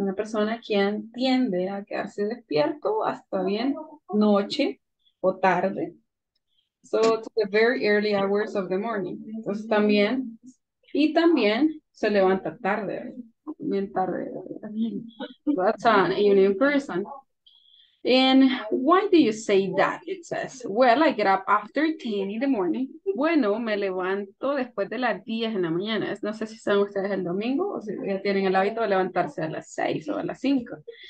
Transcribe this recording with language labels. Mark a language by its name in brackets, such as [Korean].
[Spanish] Una persona quien tiende a quedarse despierto hasta bien noche o tarde. [English] So to the very early hours of the morning. [Spanish] Entonces también, y también se levanta tarde, bien tarde. [English] That's an evening person. And why do you say that? It says, well, I get up after 10 in the morning. [Spanish] Bueno, me levanto después de las 10 en la mañana. No sé si saben ustedes el domingo o si ya tienen el hábito de levantarse a las 6 o a las 5.